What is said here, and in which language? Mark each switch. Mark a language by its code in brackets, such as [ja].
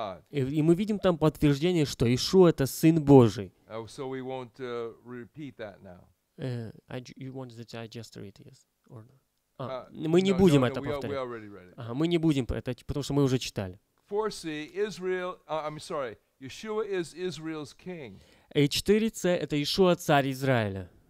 [ru] И мы видим там подтверждение, что Иешуа — это Сын Божий. [en] So we won't repeat that now. You want that I just read it, yes? Or no? [ru] Мы не будем это повторять. [en] We already read it. [ru] Мы не будем это, потому что мы уже читали. [en] 4C, Israel, I'm sorry, Yeshua is Israel's king. [ru] И 4C, это Иешуа, царь Израиля.